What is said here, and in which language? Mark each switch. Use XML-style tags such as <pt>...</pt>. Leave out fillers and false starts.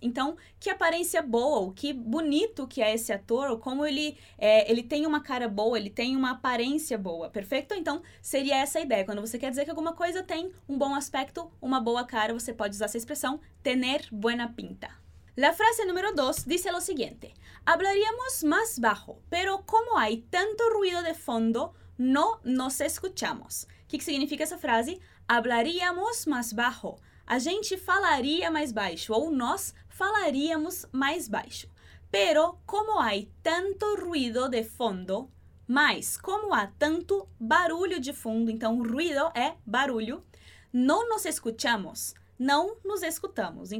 <pt>Então, que aparência boa, ou que bonito que é esse ator, ou como ele tem uma cara boa, ele tem uma aparência boa, perfeito? Então, seria essa a ideia. Quando você quer dizer que alguma coisa tem um bom aspecto, uma boa cara, você pode usar essa expressão,</pt> <es>tener buena pinta. La frase número 2 dice lo siguiente. Hablaríamos más bajo, pero como hay tanto ruido de fondo, no nos escuchamos.</es> <pt>O que significa essa frase?</pt> <es>Hablaríamos más bajo.</es> <pt>A gente falaria mais baixo, ou nós falaríamos mais baixo.</pt> <es>Pero como hay tanto ruido de fondo,</es> <pt>mas como há tanto barulho de fundo, então ruido é barulho,</pt> <es>no nos escuchamos,</es> <pt>não nos escutamos.</pt>